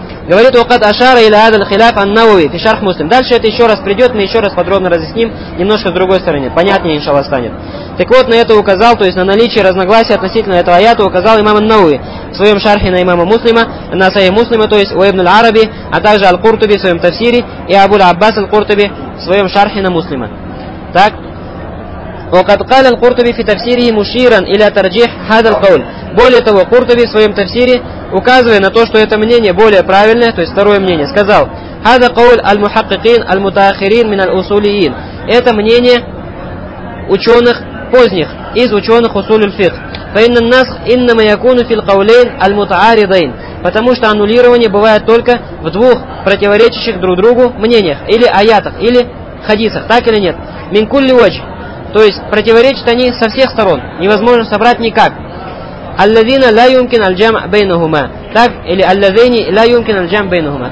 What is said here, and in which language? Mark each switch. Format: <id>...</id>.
<ru>Говорит,</ru> <ar>«Укад ашара или адаль хиляф ан-науи фи шарх муслим».</ar> <ru>Дальше это еще раз придет, мы еще раз подробно разъясним, немножко с другой стороны. Понятнее, иншаллах, станет. Так вот, на это указал, то есть на наличие разногласий относительно этого аята указал имам ан-науи в своем шархе на имама муслима, на сахих муслима, то есть у ибн аль-араби, а также аль-куртуби в своем тафсире и абуль-аббас аль-куртуби в своем шархе на муслима. Так.</ru> <ar>وقد قال القرطبي في تفسيره مشيرا الى ترجيح هذا القول.</ar> <ru>Более того, Куртуби в своем тафсире, указывая на то, что это мнение более правильное, то есть второе мнение, сказал,</ru> <ar>هذا قول المحققين المتأخرين من الأصوليين.</ar> <ru>Это мнение ученых поздних из ученых усуль аль-фикх.</ru> <ar>فإن النسخ إنما يكون في القولين المتعارضين.</ar> <ru>Потому что аннулирование бывает только в двух противоречащих друг другу мнениях, или аятах, или хадисах, так или нет.</ru> <ar>Мин кулли вадж.</ar> <ru>То есть противоречат они со всех сторон, невозможно собрать никак.</ru> <ar>Аллазина ла юмкин аль-джам бейнахума.</ar> <ru>Так, или</ru> <ar>аллазини ла юмкин аль-джам бейнахума.</ar>